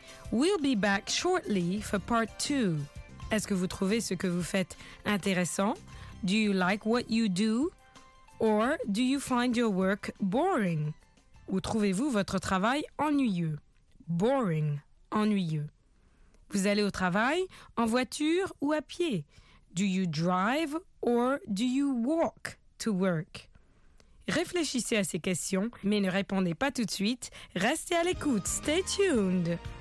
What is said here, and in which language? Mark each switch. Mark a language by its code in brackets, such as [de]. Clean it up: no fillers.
[en] We'll be back shortly for part two. [fr] Est-ce que vous trouvez ce que vous faites intéressant? [en] Do you like what you do? Or do you find your work boring? [fr] Ou trouvez-vous votre travail ennuyeux? Boring, ennuyeux. Vous allez au travail en voiture ou à pied? [en] Do you drive or do you walk to work? [fr] Réfléchissez à ces questions, mais ne répondez pas tout de suite. Restez à l'écoute. [en] Stay tuned.